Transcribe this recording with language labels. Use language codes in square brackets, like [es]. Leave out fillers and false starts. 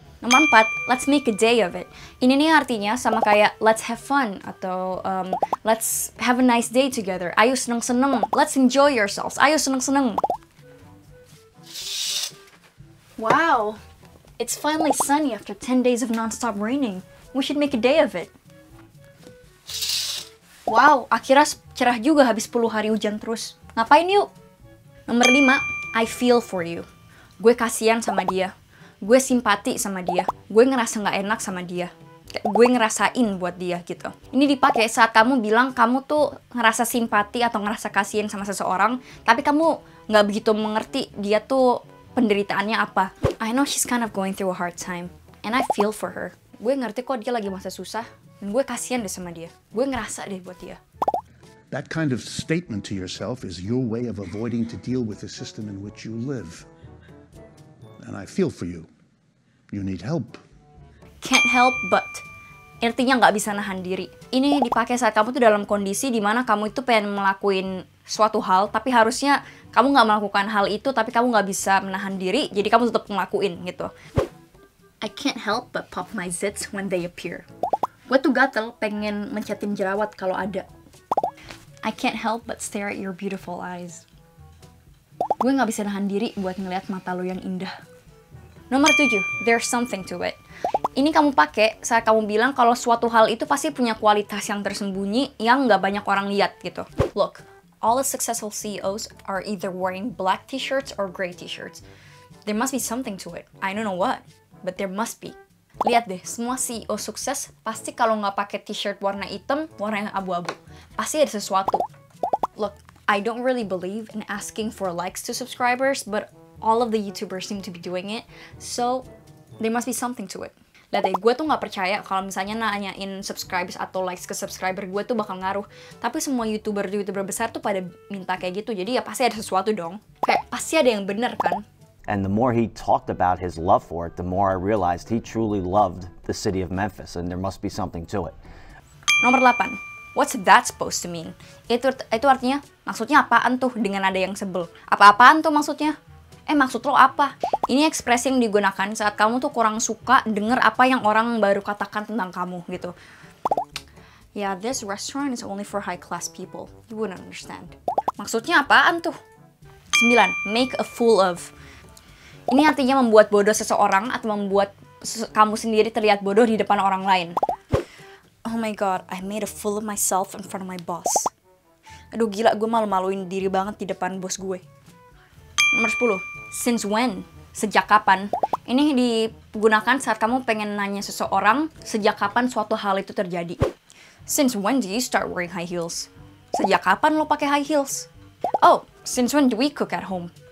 [id] Nomor 4, [en] let's make a day of it. [id] Ini nih artinya sama kayak [en] let's have fun [id] atau [en] let's have a nice day together. [id] Ayo seneng-seneng. [en] Let's enjoy yourselves. [id] Ayo seneng-seneng. [en] Wow. It's finally sunny after 10 days of non-stop raining. We should make a day of it. [id] Wow, akhirnya cerah juga habis 10 hari hujan terus. Ngapain yuk? Nomor 5, [en] I feel for you. [id] Gue kasihan sama dia. Gue simpati sama dia. Gue ngerasa gak enak sama dia. Gue ngerasain buat dia gitu. Ini dipakai saat kamu bilang kamu tuh ngerasa simpati atau ngerasa kasihan sama seseorang, tapi kamu gak begitu mengerti dia tuh penderitaannya apa. [en] I know she's kind of going through a hard time, and I feel for her. [id] Gue ngerti kok dia lagi masa susah, dan gue kasihan deh sama dia. Gue ngerasa deh buat dia. [en] That kind of statement to yourself is your way of avoiding to deal with the system in which you live. And I feel for you. You need help. Can't help but. [id] Artinya nggak bisa nahan diri. Ini dipakai saat kamu tuh dalam kondisi di mana kamu itu pengen melakuin suatu hal, tapi harusnya kamu nggak melakukan hal itu, tapi kamu nggak bisa menahan diri, jadi kamu tetap ngelakuin gitu. [en] I can't help but pop my zits when they appear. [id] Gue tuh gatel pengen mencetin jerawat kalau ada. [en] I can't help but stare at your beautiful eyes. [id] Gue gak bisa nahan diri buat ngeliat mata lo yang indah. Nomor 7, [en] there's something to it. [id] Ini kamu pakai saat kamu bilang kalau suatu hal itu pasti punya kualitas yang tersembunyi yang gak banyak orang lihat gitu. [en] Look, all the successful CEOs are either wearing black t-shirts or gray t-shirts. There must be something to it. I don't know what, but there must be. [id] Lihat deh, semua CEO sukses pasti kalau nggak pakai t-shirt warna hitam, warna yang abu-abu. Pasti ada sesuatu. [en] Look, I don't really believe in asking for likes to subscribers, but all of the YouTubers seem to be doing it, so there must be something to it. [id] Lihat deh, gue tuh gak percaya kalau misalnya nanyain subscribers atau likes ke subscriber gue tuh bakal ngaruh. Tapi semua YouTuber-YouTuber besar tuh pada minta kayak gitu, jadi ya pasti ada sesuatu dong. Kayak pasti ada yang bener kan? [en] And the more he talked about his love for it, the more I realized he truly loved the city of Memphis and there must be something to it. [id] Nomor 8. [en] What's that supposed to mean? [id] Itu artinya, maksudnya apaan tuh dengan ada yang sebel? Apa-apaan tuh maksudnya? Maksud lo apa? Ini ekspresi yang digunakan saat kamu tuh kurang suka dengar apa yang orang baru katakan tentang kamu, gitu. [en] Yeah, this restaurant is only for high class people. You wouldn't understand. [id] Maksudnya apaan tuh? 9. [en] Make a fool of. [id] Ini artinya membuat bodoh seseorang atau membuat kamu sendiri terlihat bodoh di depan orang lain. [en] Oh my god, I made a fool of myself in front of my boss. [id] Aduh gila, gue malu-maluin diri banget di depan bos gue. Nomor 10. [en] Since when? [id] Sejak kapan? Ini digunakan saat kamu pengen nanya seseorang sejak kapan suatu hal itu terjadi. [en] Since when do you start wearing high heels? [id] Sejak kapan lo pakai high heels? [en] Oh, since when do we cook at home?